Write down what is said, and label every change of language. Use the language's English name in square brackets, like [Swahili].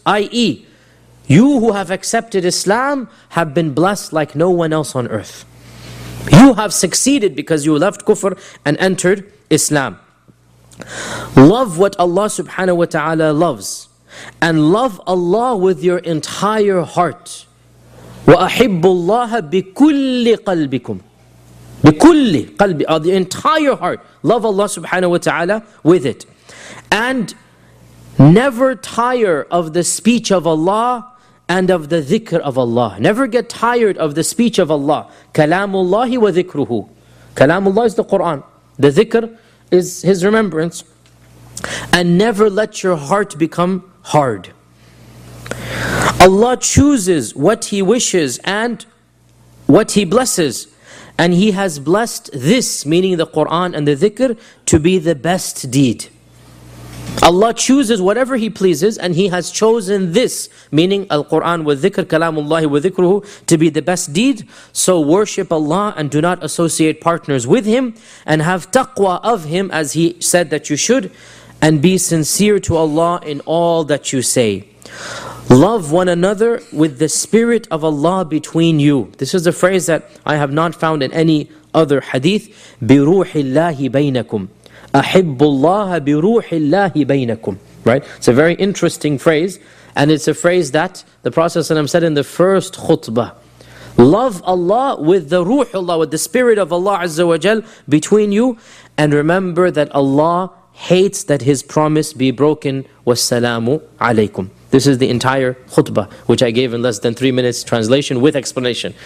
[English] I.e., you who have accepted Islam have been blessed like no one else on earth. You have succeeded because you left kufr and entered Islam. Love what Allah subhanahu wa ta'ala loves. And love Allah with your entire heart. [Arabic] وَأَحِبُّ اللَّهَ بِكُلِّ قَلْبِكُمْ بِكُلِّ قَلْبِ [English] The entire heart. Love Allah subhanahu wa ta'ala with it. And never tire of the speech of Allah and of the dhikr of Allah. Never get tired of the speech of Allah. [Arabic] كَلَامُ اللَّهِ وَذِكْرُهُ كَلَامُ اللَّهِ [English] is the Qur'an. The dhikr is His remembrance. And never let your heart become hard. Allah chooses what He wishes and what He blesses. And He has blessed this, meaning the Qur'an and the dhikr, to be the best deed. Allah chooses whatever He pleases, and He has chosen this, meaning Al-Qur'an wa dhikr, kalamullahi wa dhikruhu, to be the best deed. So worship Allah and do not associate partners with Him, and have taqwa of Him as He said that you should, and be sincere to Allah in all that you say. Love one another with the spirit of Allah between you. This is a phrase that I have not found in any other hadith. [Arabic] بِرُوحِ اللَّهِ بَيْنَكُمْ أَحِبُّ اللَّهَ بِرُوحِ اللَّهِ بَيْنَكُمْ Right? [English] It's a very interesting phrase. And it's a phrase that the Prophet ﷺ said in the first khutbah. Love Allah with the ruh Allah, with the spirit of Allah Azza wa Jal between you. And remember that Allah hates that His promise be broken. [Arabic] وَالسَّلَامُ عَلَيْكُمْ [English] This is the entire khutbah, which I gave in less than 3 minutes translation with explanation.